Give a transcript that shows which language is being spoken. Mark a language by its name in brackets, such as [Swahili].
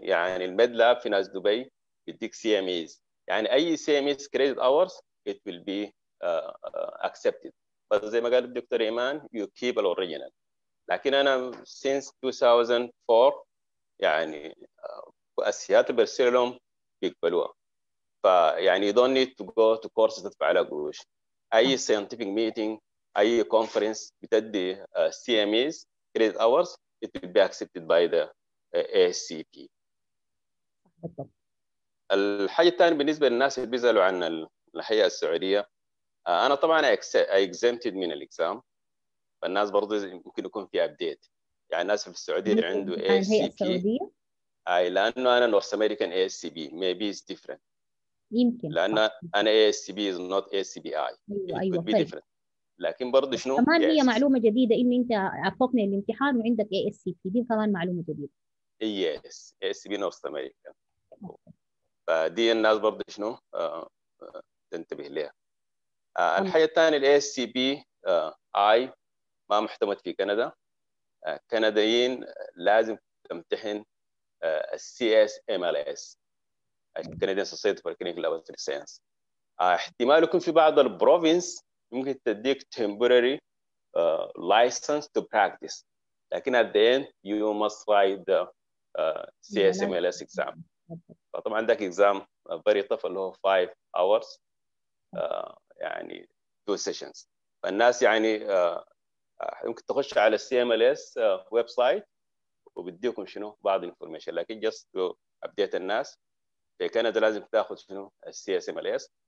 [Arabic] يعني الميد لاب في ناس دبي بيديك CMEs، يعني أي CMEs [English] credit hours it will be accepted. [Arabic] بس زي ما قال الدكتور إيمان [English] you keep the original. [Arabic] لكن أنا since 2004 يعني أسيات برسلهم بيقبلوها. [English] فيعني you don't need to go to courses [Arabic] تدفع على قروش. [English] أي scientific meeting أي conference بتدي CMEs credit hours it will be accepted by the ACP. [Arabic] الحاجة الثانية بالنسبة للناس اللي بيزعلوا عن الهيئة السعودية، أنا طبعاً exempted من الإكزام، فالناس برضه ممكن يكون في أبديت. يعني الناس في السعودية اللي عنده ACP أي لأنه أنا North American ACP [English] maybe it's different. [Arabic] يمكن [English] لأن أنا ACP is not ACBI. [Arabic] أيوة [English] it could be different. [Arabic] لكن برضه شنو؟ كمان هي معلومة جديدة إن أنت عفوك من الامتحان وعندك ACP، دي كمان معلومة جديدة. [English] Yes ACP North American. [Arabic] فدي الناس برضه شنو تنتبه لها. الحاجة الثانية الـ ACP I ما محتمد في كندا. كنديين لازم تمتحن CSMLS Canadian Society for Clinical Laboratory Science. احتمال يكون في بعض البروفينس ممكن تديك [English] temporary license to practice، لكن at the end you must write the CSMLS exam. [Arabic] طبعا عندك [English] exam very tough [Arabic] اللي هو [English] 5 hours يعني 2 sessions. [Arabic] فالناس يعني ممكن تخش على CMLS website وبديكم شنو بعض الانفورميشن، لكن جست تو ابديت الناس في كندا لازم تاخذ شنو السي اس ام ال اس.